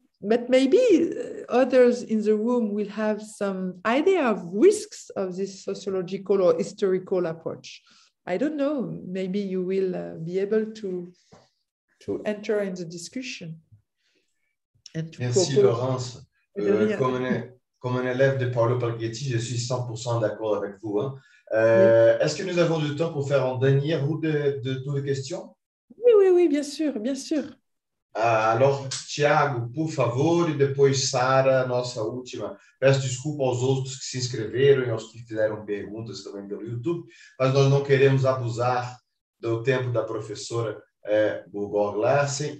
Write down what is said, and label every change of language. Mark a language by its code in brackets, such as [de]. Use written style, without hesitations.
[en] but maybe others in the room will have some idea of risks of this sociological or historical approach. I don't know, maybe you will be able to enter in the discussion. [fr] Merci, Laurence. Comme un élève de Paolo Palghetti, je suis 100% d'accord avec vous. Hein. Oui. Est-ce que nous avons du temps pour faire un dernier round de toutes les questions? Oui, bien sûr, bien sûr. [pt] Alors, Thiago, por favor, e depois Sara, nossa última. Peço desculpa aos outros que se inscreveram e aos que fizeram perguntas também pelo YouTube, mas nós não queremos abusar do tempo da professora Burgor Larsen.